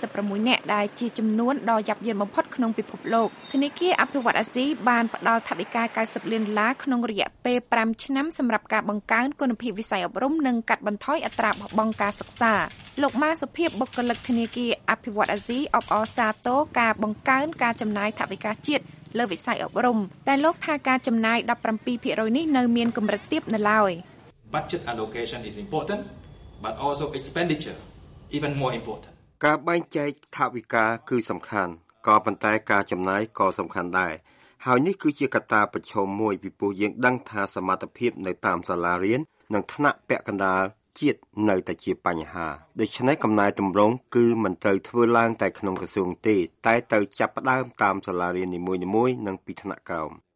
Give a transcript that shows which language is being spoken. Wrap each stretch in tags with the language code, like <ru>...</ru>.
<km>46នាក់ដែលជាចំនួនដ៏យ៉ាប់យ៉ឺនបំផុតក្នុងពិភពលោកធនាគារអភិវឌ្ឍន៍អាស៊ីបានផ្តល់ថវិកា$900,000,000ក្នុងរយៈពេល5ឆ្នាំសម្រាប់ការបង្កើនគុណភាពវិស័យអប់រំនិងកាត់បន្ថយអត្រាបោះបង់ការសិក្សាលោកម៉ាសុភាពបុគ្គលិកធនាគារអភិវឌ្ឍន៍អាស៊ីអបអរសាទរការបង្កើនការចំណាយថវិកាជាតិលើវិស័យអប់រំតែលោកថាការចំណាយ 17% នេះនៅមានកម្រិតទាបនៅឡើយ</km> <en>Budget allocation is important but also expenditure even more important</en> <km>ការបែងចែកថវិកាគឺសំខាន់ក៏ប៉ុន្តែការចំណាយក៏សំខាន់ដែរហើយនេះគឺជាកត្តាប្រឈមមួយពីព្រោះយើងដឹងថាសមត្ថភាពនៅតាមសាលារៀននិងថ្នាក់ពាក់កណ្ដាលជាតិនៅតែជាបញ្ហាដូច្នេះកំណែទម្រង់គឺមិនត្រូវធ្វើឡើងតែក្នុងក្រសួងទេតែត្រូវចាប់ផ្ដើមតាមសាលារៀននីមួយៗនិងពីថ្នាក់ក្រោម</km>